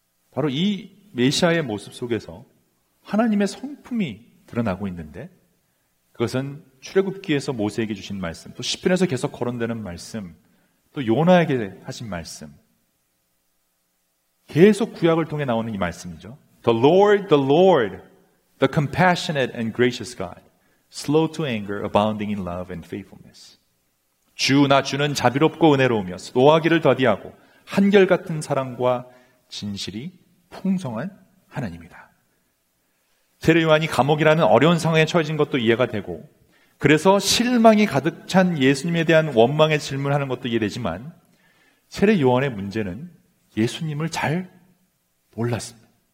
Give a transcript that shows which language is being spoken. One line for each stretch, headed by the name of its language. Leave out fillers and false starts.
Korean: 바로 이 메시아의 모습 속에서 하나님의 성품이 드러나고 있는데 그것은 출애굽기에서 모세에게 주신 말씀, 또 시편에서 계속 거론되는 말씀, 또 요나에게 하신 말씀, 계속 구약을 통해 나오는 이 말씀이죠.
English: The Lord, the compassionate and gracious God. Slow to anger, abounding in love and faithfulness.
Korean: 주, 나 주는 자비롭고 은혜로우며 노하기를 더디하고 한결같은 사랑과 진실이 풍성한 하나님이다. 세례 요한이 감옥이라는 어려운 상황에 처해진 것도 이해가 되고 그래서 실망이 가득 찬 예수님에 대한 원망의 질문을 하는 것도 이해되지만 세례 요한의 문제는 예수님을 잘 몰랐습니다.